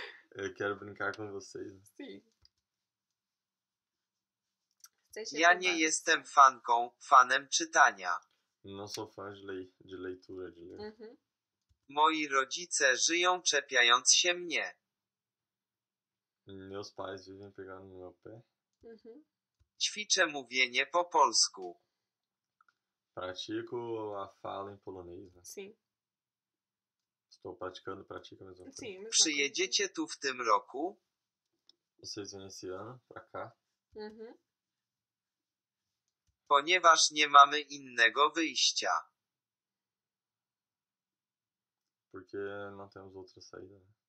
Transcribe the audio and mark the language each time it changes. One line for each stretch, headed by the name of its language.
Portuguese: Eu quero brincar com vocês. Sim.
Polish: Chcę się Ja nie pobawić. jestem fanem czytania.
Portuguese: Não sou fã de leitura, de ler.
Polish: Moi rodzice żyją czepiając się mnie.
Portuguese: Meus pais vivem pegando no meu pé.
Polish: Ćwiczę mówienie po polsku.
Portuguese: Pratico a fala em polonês, né? Sim. Estou praticando, pratico a mesma coisa. Sim, mesma coisa.
Polish: Przyjedziecie tu w tym roku?
Portuguese: Vocês vêm esse ano pra cá.
Polish: Ponieważ nie mamy innego wyjścia.
Portuguese: Porque não temos outra saída.